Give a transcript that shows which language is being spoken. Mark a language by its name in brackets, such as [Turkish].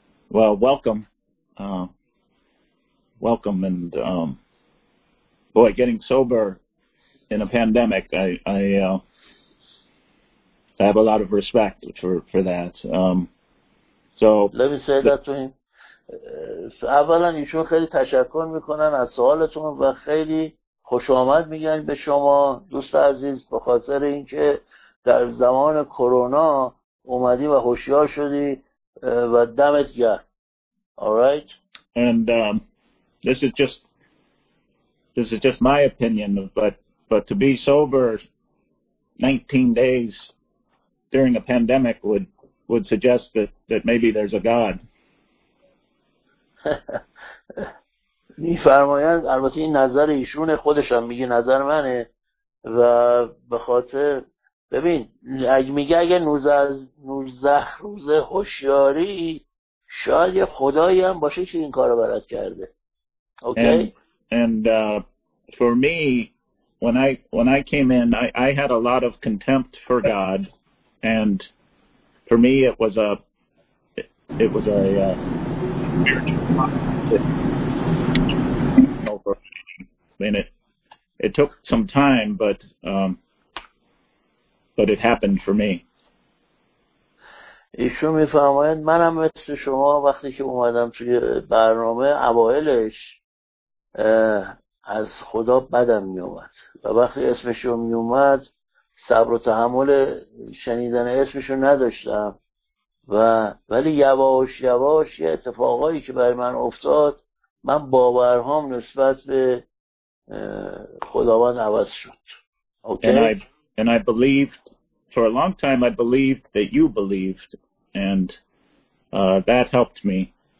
[English] Well, welcome, welcome, and boy, getting sober in a pandemic, I have a lot of respect for that. So let me say that to him. [Persian] اولا ایشون خیلی تشکر میکنن از سوالتون و خیلی خوش آمد میگن به شما دوست عزیز، به خاطر اینکه در زمان کرونا اومدی و هوشیار شدی و دمت گرم. [English] All right. And this is just my opinion, but to be sober 19 days during a pandemic would suggest that maybe there's a God. [Persian] می‌فرمایند البته این نظر ایشونه، خودش هم میگه نظر منه. و به خاطر ببین اگه میگه اگه 19 روز هوشیاری، شاید یه خدایی هم باشه که این کارو برات کرده. [English] Okay. And for me when I came in I had a lot of contempt for God, and for me it was a church. And it took some time, but it happened for me. [Persian] ایشون میفرماید منم مثل شما وقتی که اومدم توی برنامه اوائلش از خدا بدم میومد، و وقتی اسمشو میومد صبر و تحمل شنیدن اسمشو نداشتم، و ولی یواش یواش یه اتفاقایی که برای من افتاد، من باورهام نسبت به خداوند عوض شد. [English] Okay. And I believed for a long time. I believed that you believed, and that helped me.